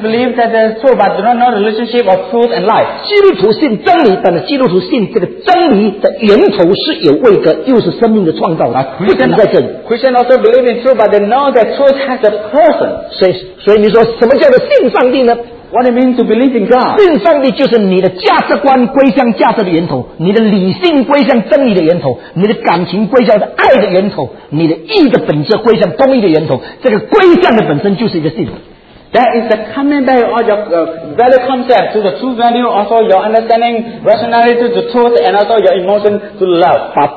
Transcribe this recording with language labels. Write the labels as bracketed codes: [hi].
[en] believe that there is truth, but do not know the relationship of truth and life. [zh] 基督徒信真理, 但是基督徒信这个真理的源头是有位格，又是生命的创造者， 不仅在这里。 [en] Christians also believe in truth, but they know that truth has a person. [zh] 所以你说什么叫做信上帝呢？ [en] What it means to believe in God? [zh] 信上帝就是你的价值观归向价值的源头，你的理性归向真理的源头，你的感情归向爱的源头，你的意的本质归向公义的源头。这个归向的本身就是一个信。 [en] That is the coming back of your value concept to the true value, also your understanding, rationality to the truth, and also your emotion to love.